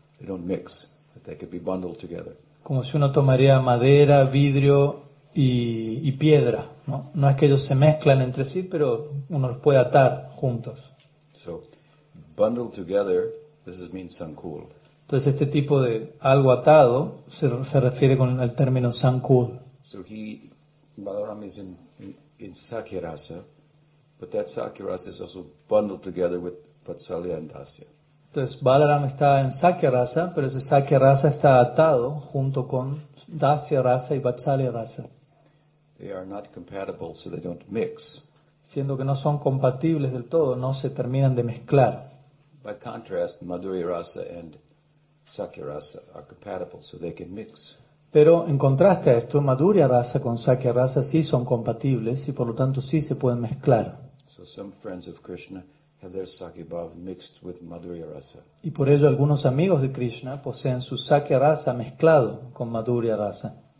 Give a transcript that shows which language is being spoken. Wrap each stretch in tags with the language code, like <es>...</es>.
<en>They don't mix, but they could be bundled together.</en> <es>Como si uno tomaría madera, vidrio y piedra, ¿no? No es que ellos se mezclan entre sí, pero uno los puede atar juntos.</es> <en>So, bundled together, this is means sankul.</en> <es>Entonces este tipo de algo atado se refiere con el término sankul.</es> <en>So he, Balaram is in Sakya Rasa, But that Sakyarasa is also bundled together with Vatsalya and Dasya.</en> <es>Entonces Balaram está en Sakyarasa, pero ese Sakyarasa está atado junto con Dasya Rasa y Vatsalya Rasa.</es> <en>They are not compatible, so they don't mix.</en> <es>Siendo que no son compatibles del todo, no se terminan de mezclar.</es> <en>By contrast, Madhurya Rasa and Sakya Rasa are compatible, so they can mix.</en> <es>Pero en contraste a esto, Madhurya Rasa con Sakya Rasa sí son compatibles y por lo tanto sí se pueden mezclar.</es> <en>So some friends of Krishna have their Sakya Bhava mixed with Madhurya Rasa.</en> <es>Y por ello algunos amigos de Krishna poseen su Sakya Rasa mezclado con Madhurya Rasa.</es>